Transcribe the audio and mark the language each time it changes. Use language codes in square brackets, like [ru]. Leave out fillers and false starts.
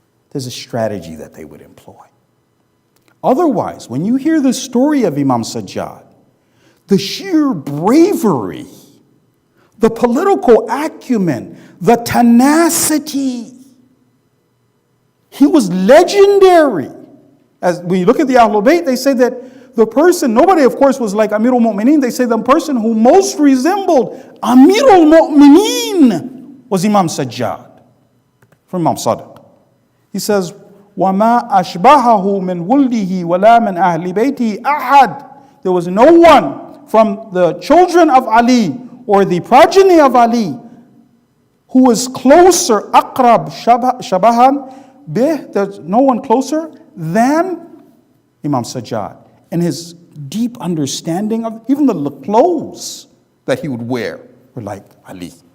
[en] There's a strategy that they would employ. Otherwise, when you hear the story of Imam Sajjad, the sheer bravery, the political acumen, the tenacity, he was legendary. As when you look at the Ahlul Bayt, they say that the person, nobody of course was like Amirul Mu'mineen, they say the person who most resembled Amirul Mu'mineen was Imam Sajjad from Imam Sadiq. He says, [ar] وَمَا أَشْبَهَهُ مِنْ وُلْدِهِ وَلَا مِنْ أَهْلِ بَيْتِهِ أَحَدٍ. [en] There was no one from the children of Ali or the progeny of Ali who was closer, [ar] أَقْرَبْ شَبَهًا بِهِ. [en] There's no one closer than Imam Sajjad. And his deep understanding of, even the clothes that he would wear were like Ali.